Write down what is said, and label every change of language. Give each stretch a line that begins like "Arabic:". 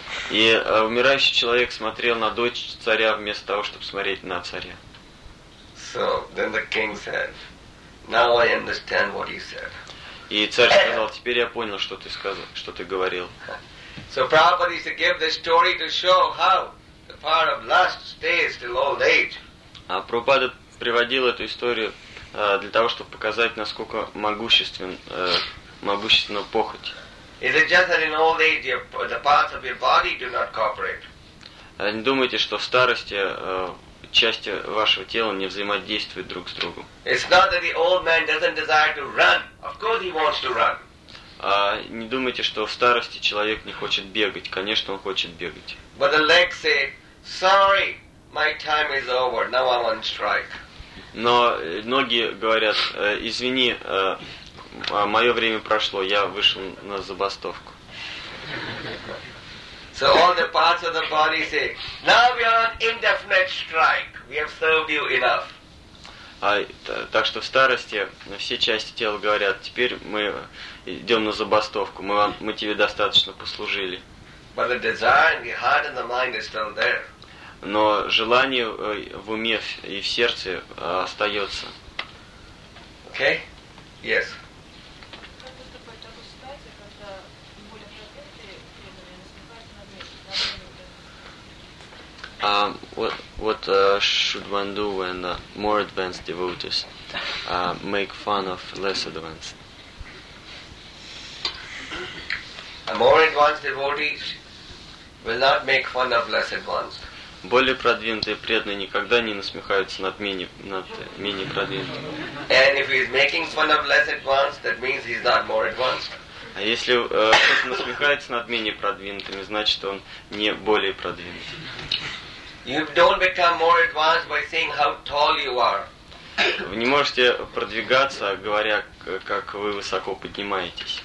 Russian: И умирающий человек смотрел на дочь царя вместо того, чтобы смотреть на царя.
English: So, then the king said, "Now I understand what he said."
Russian: И царь сказал, "Теперь я понял, что ты сказал, что ты говорил."
English: So Prabhupada used to give this story to show how the power of lust stays till old age.
Russian: А Прабхупада приводил эту историю для того, чтобы показать, насколько могущественна похоть.
English: Is it just that in old age the parts of your body do not cooperate?
Russian: Не думайте, что в старости части вашего тела не взаимодействуют друг с другом.
English: It's not that the old man doesn't desire to run. Of course, he wants to run.
Russian: Не думайте, что в старости человек не хочет бегать. Конечно, он хочет бегать.
English: But the legs say, "Sorry, my time is over. Now I'm on strike."
Russian: Но ноги говорят, "Извини, мое время прошло. Я вышел на забастовку."
English: So all the parts of the body say, "Now we are on indefinite strike. We have served you enough."
Russian: Так что в старости все части тела говорят, "Теперь мы идем на забастовку, мы тебе достаточно послужили."
English: But the desire and the heart and the mind is still there.
Russian: Но желание в уме и в сердце остается.
English: Okay? Yes. What should one do when more advanced devotees make fun of less advanced? A more advanced devotees will not make fun of less advanced.
Russian: Более продвинутые преданные никогда не насмехаются над менее продвинутыми.
English: And if he is making fun of less advanced, that means he is not more advanced.
Russian: А если кто-то насмехается над менее продвинутыми, значит он не более продвинутый.
English: You don't become more advanced by saying how tall you are.
Russian: Вы не можете продвигаться, говоря, как вы высоко поднимаетесь.